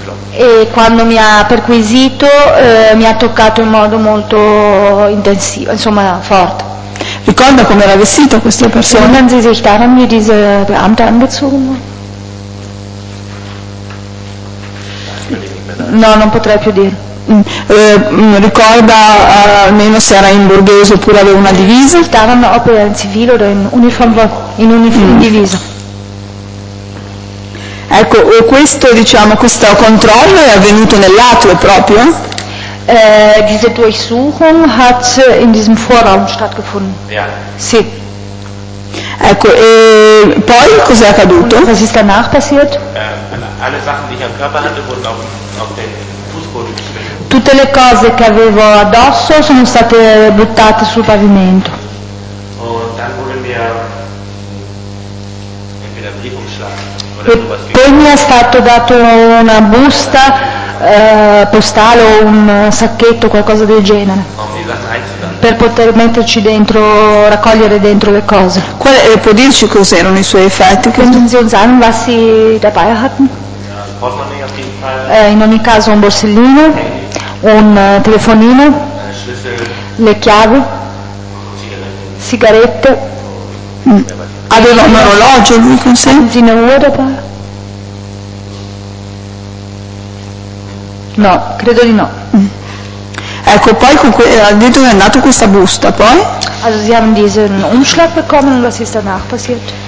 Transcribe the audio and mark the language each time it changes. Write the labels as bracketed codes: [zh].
[it] E quando mi ha perquisito mi ha toccato in modo molto intensivo, insomma forte. Ricorda come era vestita questa persona? [de] Erinnern Sie sich daran, wie diese Beamte angezogen war? [it] No, non potrei più dire. Ricorda almeno se era in borghese oppure aveva una divisa? [de] Erinnern Sie sich daran, ob in civile oder in uniform divisa? [it] Ecco, questo, diciamo, questo controllo è avvenuto nell'atrio proprio? [de] Diese Durchsuchung hat in diesem Vorraum stattgefunden. Ja. [it] Sì. Ecco, e poi cos'è accaduto? [de] Was ist danach passiert? Alle Sachen, die ich am Körper hatte, wurden auf den Fußboden gestellt. [it] Tutte le cose che avevo addosso sono state buttate sul pavimento. [de] Und dann wurde mir entweder Brief umschlagen oder sowas gegeben. [it] Poi mi è stato dato una busta postale o un sacchetto, qualcosa del genere, per poter metterci dentro, raccogliere dentro le cose. Può dirci cos'erano i suoi effetti? [de] Können Sie uns sagen, was Sie dabei hatten? [it] In ogni caso un borsellino, un telefonino, le chiavi, sigarette. Aveva un orologio lui con sé? No, credo di no. Ecco, poi con dentro è andato questa busta, poi? [de] Also sie haben diesen Umschlag bekommen und was ist danach passiert?